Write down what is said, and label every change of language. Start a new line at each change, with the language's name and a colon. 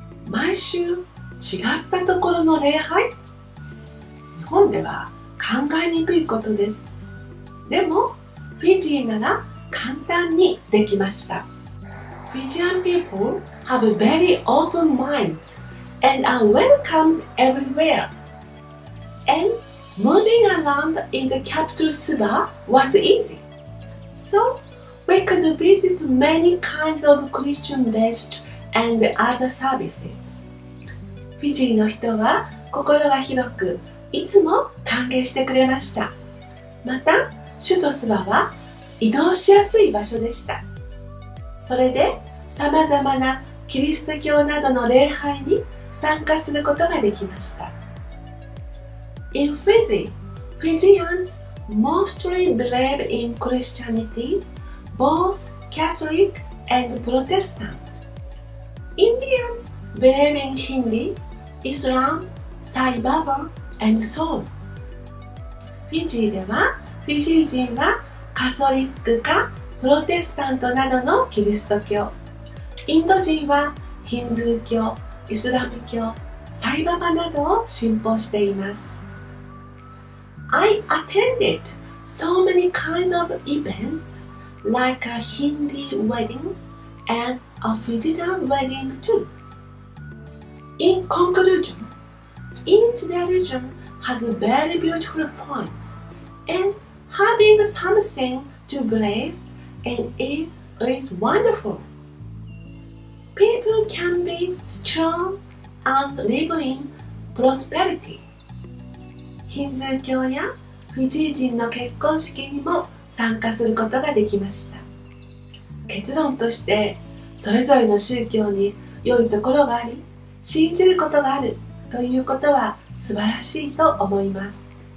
Japanese: 毎週違ったところの礼拝?日本では考えにくいことです。でも、フィジーなら簡単にできました。
English: Fijian people have very open minds and are welcomed everywhere. AndMoving around in the capital Suba was easy. So, we could visit many kinds of Christian-based and other services.
Japanese: Fiji の人は心が広く、いつも歓迎してくれました。また、首都スバは移動しやすい場所でした。それで、様々なキリスト教などの礼拝に参加することができました。
English: In Fiji, Fijians mostly believe in Christianity, both Catholic and Protestant. Indians believe in Hindu, Islam, Sai Baba, and so on.
Japanese: Fiji では、フィジー人はカソリックかプロテスタントなどのキリスト教。インド人はヒンズー教、イスラム教、サイババなどを信奉しています。
English: I attended so many kinds of events, like a Hindi wedding and a Fijian wedding too. In conclusion, each religion has very beautiful points, and having something to believe in it is wonderful. People can be strong and live in prosperity.
Japanese: ヒンズー教やフィジー人の結婚式にも参加することができました。結論として、それぞれの宗教に良いところがあり、信じることがあるということは素晴らしいと思います。